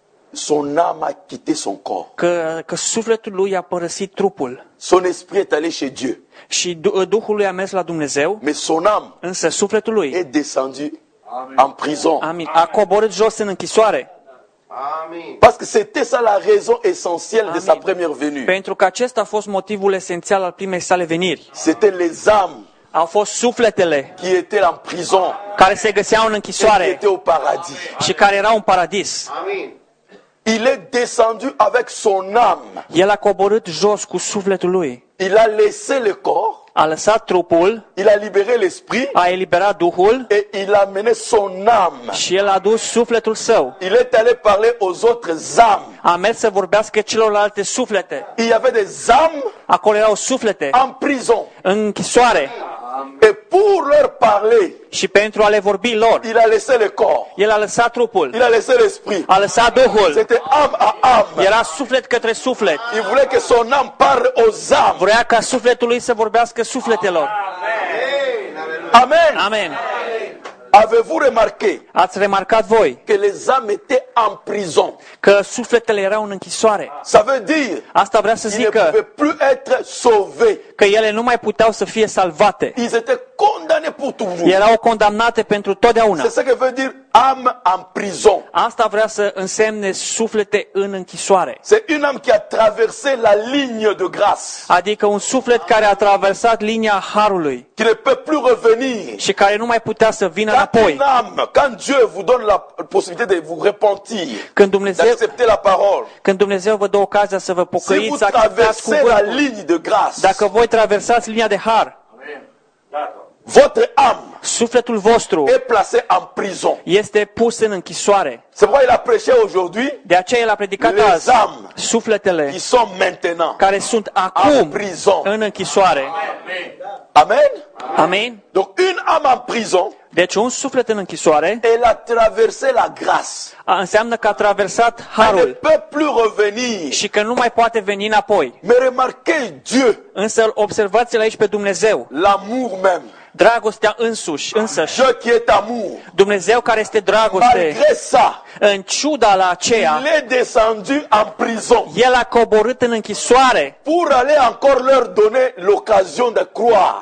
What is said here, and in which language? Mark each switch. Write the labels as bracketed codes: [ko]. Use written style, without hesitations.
[fr] Son âme a quitté son corps. [ro] Că sufletul lui a părăsit trupul. [fr] Son esprit est allé chez Dieu. [ro] Și duhul lui a mers la Dumnezeu. [fr] Mais son âme. [ro] Însă sufletul lui [fr] est descendu en prison. [ro] Amin. A coborât jos în închisoare. [fr] Parce que c'était ça la raison essentielle de sa première venue. [ro] Pentru că acesta a fost motivul esențial al primei sale veniri. [fr] C'était les âmes. [ro] Au fost sufletele [fr] qui étaient en prison. [ro] Care se găseau în închisoare. [fr] Qui étaient au paradis. [ro] Și care erau în paradis. [fr] Il est descendu avec son âme. [ro] El a coborât jos cu sufletul lui. [fr] Il a laissé le corps. [ro] A lăsat trupul. [fr] Il a libéré l'esprit. [ro] A eliberat duhul. [fr] Et il a amené son âme. [ro] Și el a dus sufletul său. [fr] Il est allé parler aux autres âmes. [ro] A mers să vorbească celorlalte suflete. [fr] Il y avait des âmes. [ro] Acolo erau suflete. [fr] En prison. [ro] În închisoare. [fr] Et pour leur parler. [ro] Și pentru a le vorbi lor. [fr] Il a laissé le corps. [ro] El a lăsat trupul. [fr] Il a laissé l'esprit. [ro] A lăsat duhul. [fr] C'était âme à âme. [ro] Era suflet către suflet. [fr] Il voulait que son âme parle aux âmes. [ro] Vrea ca sufletul lui să vorbească sufletelor. [fr] Amen. [ro] Amen. [fr] Avez-vous remarqué? [ro] Ați remarcat voi? [fr] Que les âmes étaient en prison. [ro] Că sufletele erau în închisoare. [fr] Ça veut dire. [ro] Asta vrea să zică. [fr] Ils ne pouvaient plus être sauvés. [ro] Că ele nu mai puteau să fie salvate. [fr] Ils étaient condamnés pour toujours. [ro] Erau condamnate pentru totdeauna. [fr] C'est ce que veut dire âme en prison. [ro] Asta vrea să însemne suflete în închisoare. [fr] C'est une âme qui a traversé la ligne de grâce. [ro] Adică un suflet care a traversat linia harului. [fr] Qui ne peut plus revenir. [ro] Și care nu mai putea să vină. [fr] Quand Dieu vous donne la possibilité de vous repentir, d'accepter la parole, [ro] când Dumnezeu vă dă ocazia să vă pocăiți, să acceptați cuvântul, [fr] la ligne de grâce, [ro] dacă voi traversați linia de har, [fr] votre âme, [ro] sufletul vostru, [fr] est placé en prison. [ro] Este pus în închisoare. [fr] C'est pourquoi il a prêché aujourd'hui. [ro] De aceea el a predicat azi. [fr] Âmes, [ro] sufletele, [fr] qui sont maintenant, [ro] care sunt acum, [fr] en prison. [ro] În închisoare. [fr] Amen. [ro] Amen. [fr] Donc une âme en prison. [ro] Deci un suflet în închisoare. El a traversat [fr] la grâce. [ro] Înseamnă că a traversat harul. [fr] Ne peut plus revenir. [ro] Și că nu mai poate veni înapoi. [fr] Mais remarquez Dieu. [ro] Însă observați-l aici pe Dumnezeu. [fr] L'amour même. [ro] Dragostea însuși, însăși. [fr] Dieu qui est amour. [ro] Dumnezeu care este dragoste. [fr] Malgré ça. [ro] În ciuda la aceea. [fr] Il est descendu en prison. [ro] El a coborât în închisoare. [fr] Pour aller encore leur donner l'occasion de croire.